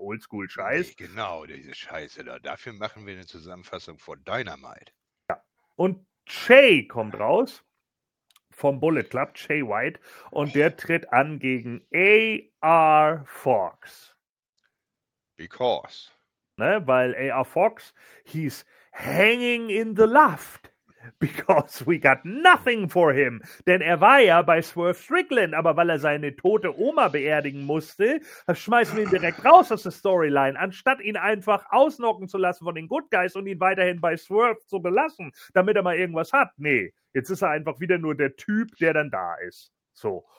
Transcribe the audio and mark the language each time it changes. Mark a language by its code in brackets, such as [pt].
[de] Oldschool-Scheiß. genau, diese Scheiße da. Dafür machen wir eine Zusammenfassung von Dynamite. Und Jay kommt raus vom Bullet Club, Jay White, und der tritt an gegen A.R. Fox. [en] Because. [de] Ne, weil A.R. [en] Fox, he's hanging in the loft, because we got nothing for him. [de] Denn er war ja bei Swerve Strickland, aber weil er seine tote Oma beerdigen musste, schmeißen wir ihn direkt raus aus der Storyline, anstatt ihn einfach ausnocken zu lassen von den Good Guys und ihn weiterhin bei Swerve zu belassen, damit er mal irgendwas hat. Nee. Jetzt ist er einfach wieder nur der Typ, der dann da ist. So.